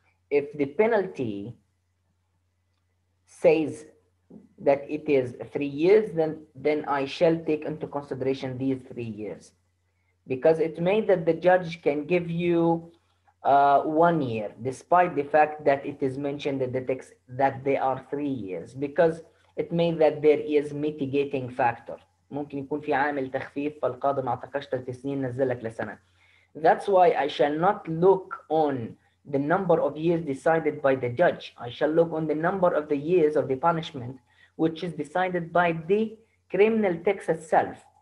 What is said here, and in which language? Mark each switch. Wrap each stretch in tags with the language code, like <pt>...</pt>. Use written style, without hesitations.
<en>If the penalty says that it is 3 years, then I shall take into consideration these 3 years. Because it may that the judge can give you 1 year, despite the fact that it is mentioned in the text that they are 3 years, because it may that there is mitigating factor.</en> <ar>ممكن يكون في عامل تخفيف فالقاضي ما اعتقدش 3 سنين نزلك لسنه.</ar> <en>That's why I shall not look on the number of years decided by the judge. I shall look on the number of the years of the punishment, which is decided by the criminal text itself.</en>